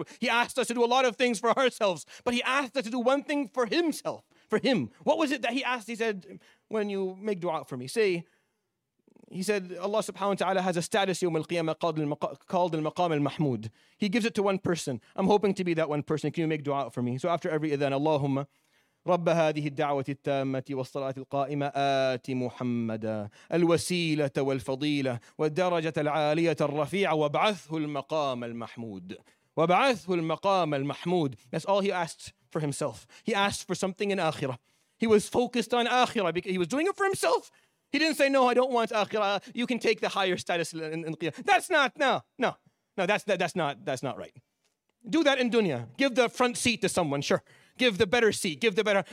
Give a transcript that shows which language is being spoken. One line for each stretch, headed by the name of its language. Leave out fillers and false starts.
English: He asked us to do a lot of things for ourselves, but he asked us to do one thing for himself, for him. What was it that he asked? He said, when you make dua for me, say, he said, Allah subhanahu wa ta'ala has a status yawm al-qiyamah called al-maqam al-mahmood. He gives it to one person. I'm hoping to be that one person. Can you make dua for me? So after every idhan,
Arabic: Allahumma, رب هذه الدعوة التامة والصلاة القائمة آت محمد الوسيلة والفضيلة والدرجة العالية الرفيعة وابعثه المقام المحمود وابعثه المقام المحمود.
English: That's all he asked for himself. He asked for something in Akhirah. He was focused on Akhirah because he was doing it for himself. He didn't say, no, I don't want Akhirah. You can take the higher status in Qiyam. That's not, no. That's not right. Do that in dunya. Give the front seat to someone, sure. Give the better seat, give the better.